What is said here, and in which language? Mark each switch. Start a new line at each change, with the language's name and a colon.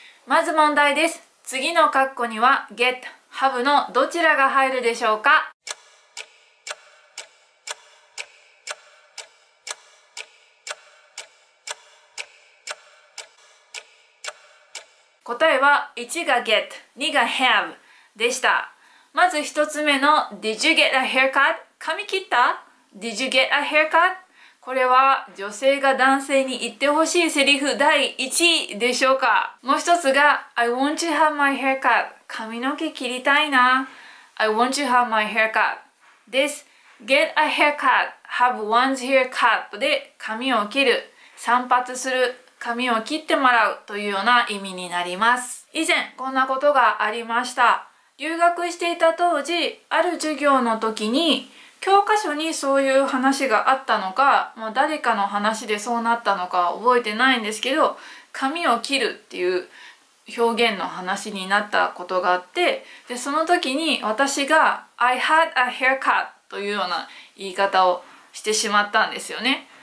Japanese: まず問題です。次の括弧には get、have のどちらが入るでしょうか。答えは1が get、2が have でした。まず一つ目の
English: did you get a haircut?
Japanese: 髪切った?
English: Did you get a haircut?
Japanese: これは女性が男性に言ってほしいセリフ第1位でしょうか。もう一つが
English: I want to have my haircut。
Japanese: 髪の毛切りたいな。
English: I want to have my haircut です。 Get a haircut、 Have one's haircut
Japanese: で髪を切る、散髪する、髪を切ってもらうというような意味になります。以前こんなことがありました。留学していた当時、ある授業の時に教科書にそういう話があったのか、まあ、誰かの話でそうなったのか覚えてないんですけど、髪を切るっていう表現の話になったことがあって、でその時に私が
English: I had a haircut
Japanese: というような言い方をしてしまったんですよね。